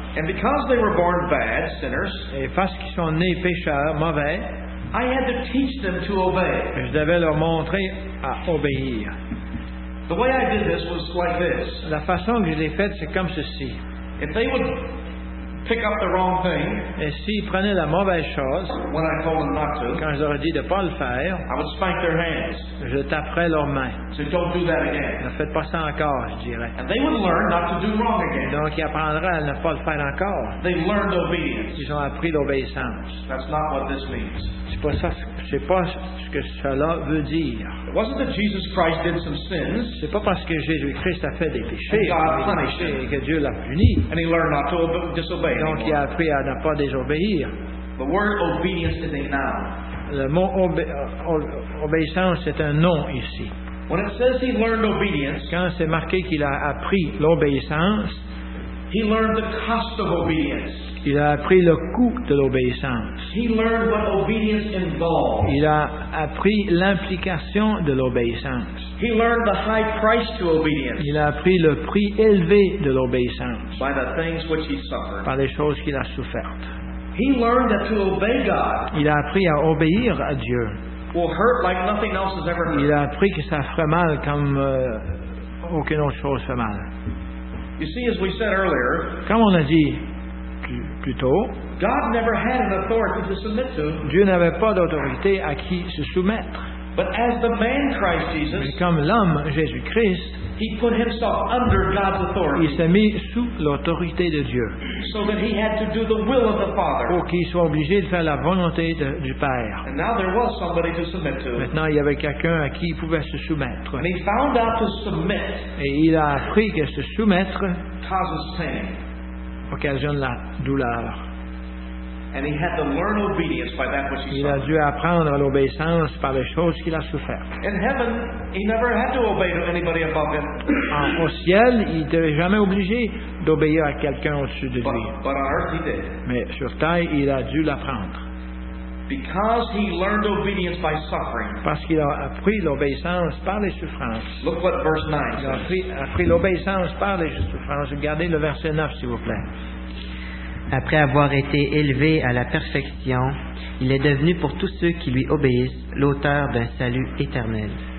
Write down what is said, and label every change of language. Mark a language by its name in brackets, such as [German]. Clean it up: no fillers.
[English] And because they were born bad, sinners. [French] Et parce qu'ils sont nés pécheurs, mauvais. [English] I had to teach them to obey. [French] Je devais leur montrer à obéir. [English] The way I did this was like this. [French] La façon que je l'ai faite, c'est comme ceci. [English] If they would pick up the wrong thing, [French] et s'ils prenaient la mauvaise chose, [English] when I told them not to, [French] quand je leur ai dit de ne pas le faire, [English] I would spank their hands. [French] Je taperais leurs mains. [English] So don't do that again. [French] Ne faites pas ça encore, je dirais. [English] And they would learn not to do wrong again. [French] Donc ils apprendraient à ne pas le faire encore. [English] They learned obedience. [French] Ils ont appris l'obéissance. [English] That's not what this means. [French] C'est pas ce que cela veut dire. [English] It wasn't that Jesus Christ did some sins. [French] C'est pas parce que Jésus-Christ a fait des péchés et que Dieu l'a puni. [English] And he learned not to disobey. [French] Donc il a appris à ne pas désobéir. [English] The word obedience is a noun. [French] Le mot obéissance est un nom ici. [English] When it says he learned obedience, [French] quand c'est marqué qu'il a appris l'obéissance, [English] he learned the cost of obedience. [French] Il a appris le coût de l'obéissance. [English] He learned what obedience involved. [French] Il a appris l'implication de l'obéissance. [English] He learned the high price to obedience. [French] Il a appris le prix élevé de l'obéissance. [English] By the things which he suffered. [French] Par les choses qu'il a souffertes. [English] He learned that to obey God. [French] Il a appris à obéir à Dieu. [English] Will hurt like nothing else has ever hurt. [French] Il a appris que ça ferait mal comme aucune autre chose fait mal. [English] You see, as we said earlier, [French] comme on a dit plus tôt, [English] God never had an authority to submit to. [French] Dieu n'avait pas d'autorité à qui se soumettre. [English] But as the man Christ Jesus, [French] mais comme l'homme Jésus-Christ, [English] he put himself under God's authority. [French] Il s'est mis sous l'autorité de Dieu. [English] So that he had to do the will of the Father. [French] Pour qu'il soit obligé de faire la volonté du Père. [English] And now there was somebody to submit to. [French] Maintenant, il y avait quelqu'un à qui il pouvait se soumettre. [English] And he found out to submit. [French] Et il a appris que se soumettre [English] causes pain. [French] Occasionne la douleur. [English] And he had to learn obedience by that which he [French] il a dû apprendre l'obéissance par les choses qu'il a souffert. [English] In heaven, he never had to obey to anybody above him. [French] Au ciel, il n'était jamais obligé d'obéir à quelqu'un au-dessus de lui. [English] But on earth, he did. [French] Mais sur terre, il a dû l'apprendre. [English] Because he learned obedience by suffering. [French] Parce qu'il a appris l'obéissance par les souffrances. [English] Look what verse 9 says. [French] Il a appris l'obéissance par les souffrances. Regardez le verset 9, s'il vous plaît. Après avoir été élevé à la perfection, il est devenu pour tous ceux qui lui obéissent l'auteur d'un salut éternel.